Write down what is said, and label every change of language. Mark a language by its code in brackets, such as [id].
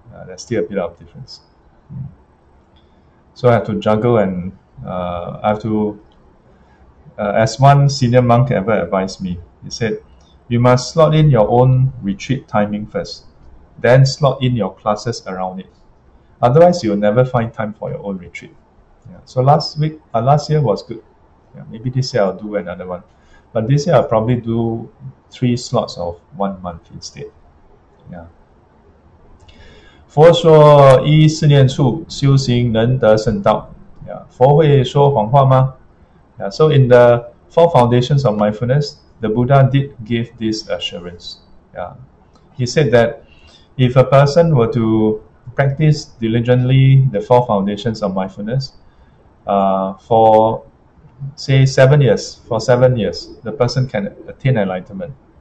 [en] There's still a bit of difference. So I have to juggle and I have to, as one senior monk ever advised me, he said, you must slot in your own retreat timing first, then slot in your classes around it. Otherwise, you'll never find time for your own retreat. Yeah. So last year was good. Yeah, maybe this year I'll do another one. But this year I'll probably do 3 slots of 1 month instead. Yeah. [zh] 佛说一四念处修行能得圣道. Yeah. 佛会说谎话吗?Yeah. [en] So in the 4 foundations of mindfulness, the Buddha did give this assurance. Yeah. He said that if a person were to practice diligently the 4 foundations of mindfulness, for 7 years, the person can attain enlightenment.